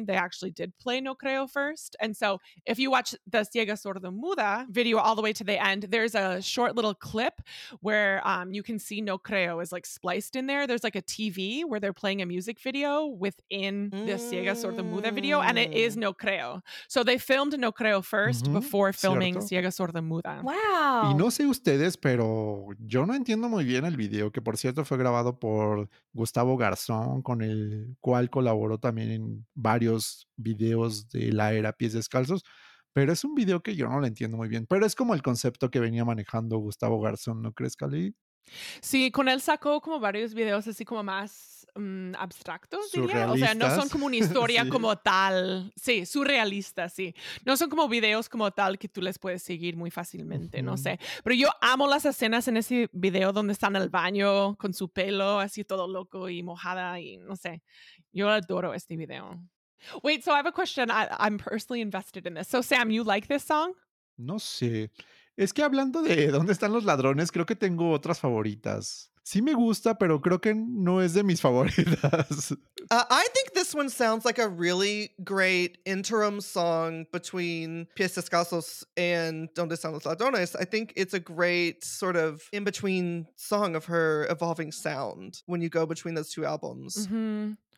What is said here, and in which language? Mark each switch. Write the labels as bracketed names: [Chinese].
[English] They actually did play No Creo first. And so if you watch the Ciega Sorda Muda video all the way to the end, there's a short little clip where you can see No Creo is like spliced in there. There's like a TV where they're playing a music video within the Ciega Sorda Muda video, and it is No Creo. So they filmed No Creo first before filming Ciega Sorda Muda. Wow. [Spanish] Y no sé ustedes, pero yo no entiendo muy bien el video, que por cierto fue grabado por Gustavo Garzón, con el cual colaboró también en varios videos de la era Pies Descalzos, pero es un video que yo no lo entiendo muy bien, pero es como el concepto que venía manejando Gustavo Garzón, ¿no crees, Cali? Sí, con él sacó como varios videos así como más abstractos, diría. O sea, no son como una historia como tal. Sí, surrealista, sí. No son como videos como tal que tú les puedes seguir muy fácilmente, no sé. Pero yo amo las escenas en ese video donde están en el baño con su pelo así todo loco y mojada y no sé. Yo adoro este video. [English] Wait, so I have a question. I'm personally invested in this. So, Sam, you like this song? [Spanish] No sé. Es que hablando de dónde están los ladrones, creo que tengo otras favoritas. Sí me gusta, pero creo que no es de mis favoritas. [English] I think this one sounds like a really great interim song between Pies Descalzos and Donde Están Los Ladrones. I think it's a great sort of in-between song of her evolving sound when you go between those two albums. Mm-hmm.